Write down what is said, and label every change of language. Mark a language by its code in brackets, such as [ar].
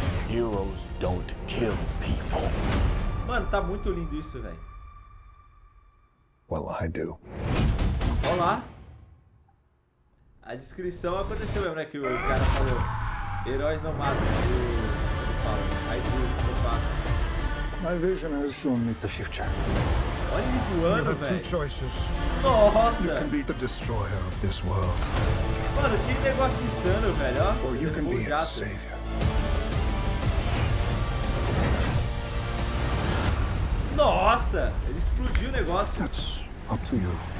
[en] Heroes don't kill people. [pt] Mano, tá muito lindo isso, velho. [en] Well, I do. [pt] Olha lá. A descrição aconteceu mesmo, né? Que o cara falou: heróis não matam. Eu falo: [en] I do, [pt] eu faço. [en] My vision has shown me the future. [pt] Olha ele voando, velho. Nossa. [en] You can be the destroyer of this world. [pt] Mano, que negócio insano, velho. [en] Or you can be its savior. [pt] Nossa, ele explodiu o negócio. [en] It's up to you.